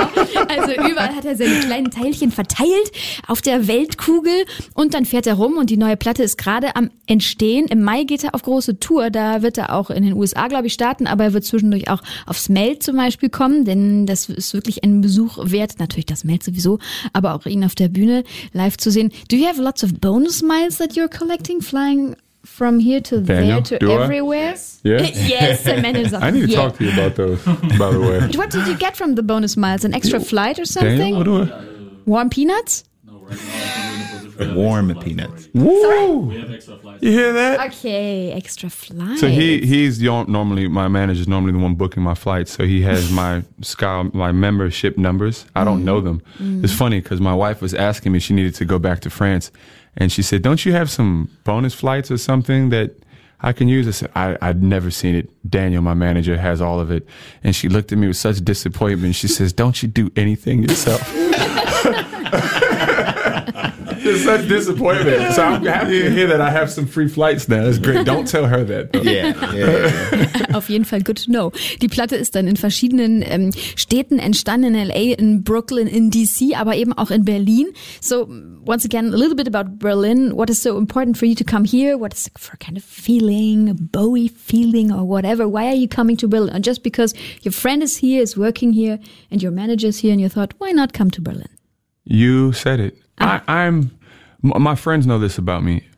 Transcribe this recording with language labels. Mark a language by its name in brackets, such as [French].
[German] Also überall hat er seine kleinen Teilchen verteilt auf der Weltkugel und dann fährt er rum und die neue Platte ist gerade am Entstehen. Im Mai geht er auf große Tour, da wird er auch in den USA, glaube ich, starten, aber er wird zwischendurch auch aufs Meld zum Beispiel kommen, denn das ist wirklich ein Besuch wert, natürlich das Meld sowieso, aber auch ihn auf der Bühne live zu sehen. [English] Do you have lots of bonus miles that you're collecting, flying from here to Daniel, there to everywhere? Yes, the manager's office. I need to talk to you about those, by the way. What did you get from the bonus miles? An extra flight or something? Daniel, what do I? Warm peanuts? Warm peanuts. Woo! We have extra flights. You hear that? Okay, extra flights. So he's normally, my manager's normally the one booking my flights, so he has my my membership numbers. I don't know them. Mm. It's funny because my wife was asking me, she needed to go back to France, and she said, don't you have some bonus flights or something that I can use? I said, I'd never seen it. Daniel, my manager, has all of it. And she looked at me with such disappointment. She says, don't you do anything yourself? It's such disappointment. So I'm happy to hear that I have some free flights now. That's great. Don't tell her that, though. Yeah. [German] Auf jeden Fall, [English] good to know. [German] Die Platte ist dann in verschiedenen Städten entstanden, in L.A., in Brooklyn, in D.C., aber eben auch in Berlin. [English] So, once again, a little bit about Berlin. What is so important for you to come here? What is for kind of feeling, a Bowie feeling or whatever? Why are you coming to Berlin? Just because your friend is here, is working here, and your manager is here, and you thought, why not come to Berlin? You said it. My friends know this about me.